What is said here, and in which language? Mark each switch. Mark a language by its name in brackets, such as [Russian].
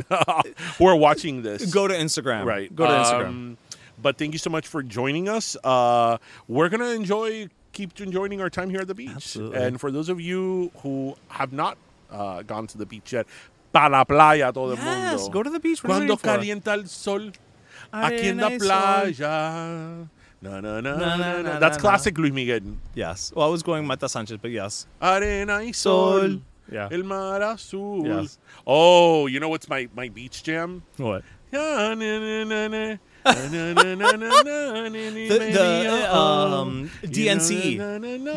[English] go to Instagram. Right, go to Instagram. But thank you so much for joining us. We're gonna keep enjoying our time here at the beach. Absolutely. And for those of you who have not gone to the beach yet, [Spanish] pa la playa todo el mundo. [English] Yes, go to the beach. [Spanish] Cuando calienta el sol, aquí en la playa. [English] No, no, no, no, no, no. That's classic Luis Miguel. Yes. Well, I was going Mata Sanchez, but yes. [Spanish] Arena y sol. [English] Yeah. [Spanish] El mar azul. [English] Yes. Oh, you know what's my beach jam? What? Yeah, na, na, na, na. DNCE.